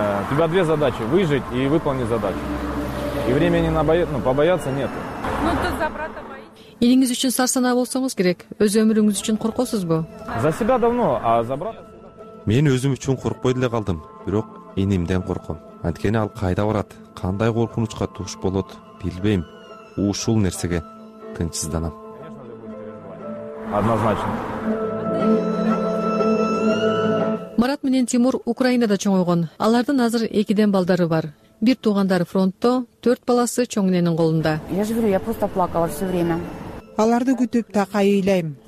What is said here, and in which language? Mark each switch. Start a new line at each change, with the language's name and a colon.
Russian: У тебя две задачи: выжить и выполнить задачу. И времени на побояться нет. Ну ты за брата моего.
Kyrgyz: Илиңиз үчүн сарсанаа болсоңуз керек. Өз өмүрүңүз үчүн коркосузбу?
Russian: За себя давно, а за брата?
Kyrgyz: Мен өзүм үчүн коркпой деле калдым, бирок инимден корком. Анткени ал кайда барат, кандай коркунучка туш болот, билбейм. Ушул нерсеге тынчсызданам.
Russian: Однозначно.
Kyrgyz: Марат менен Тимур Украинада чоңойгон. Алардын азыр 2 балдары бар. Бир туугандары фронтто, 4 баласы чоң эненин колунда.
Russian: Я же говорю, я просто плакала всё время.
Kyrgyz: Аларды күтүп так айылайм.